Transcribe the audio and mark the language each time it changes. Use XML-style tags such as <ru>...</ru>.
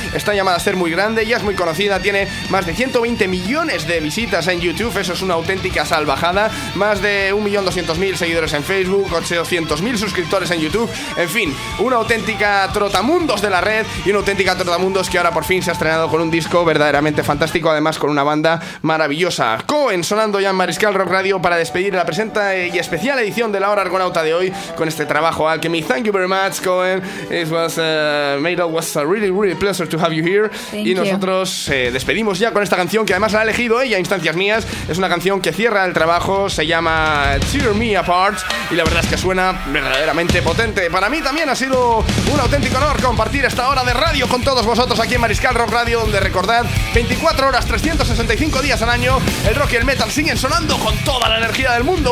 <es>Está llamada a ser muy grande, ya es muy conocida, tiene más de 120 millones de visitas en YouTube, eso es una auténtica salvajada, más de 1.200.000 seguidores en Facebook, 800.000 suscriptores en YouTube, en fin, una auténtica trotamundos de la red y una auténtica trotamundos que ahora por fin se ha estrenado con un disco verdaderamente fantástico, además con una banda maravillosa. Cohen sonando ya en Mariscal Rock Radio para despedir la presenta y especial edición de La Hora Argonauta de hoy con este trabajo Alchemy.</es> <en>Thank you very much, Cohen. It was Metal was a really, really pleasure to have you here. Thank</en> <es>y nosotros despedimos ya con esta canción que además la ha elegido ella a instancias mías. Es una canción que cierra el trabajo, se llama Tear Me Apart y la verdad es que suena verdaderamente potente. Para mí también ha sido un auténtico honor compartir esta hora de radio con todos vosotros aquí en Mariscal Metal Rock Radio, donde recordad, 24 horas, 365 días al año, el rock y el metal siguen sonando con toda la energía del mundo.</es>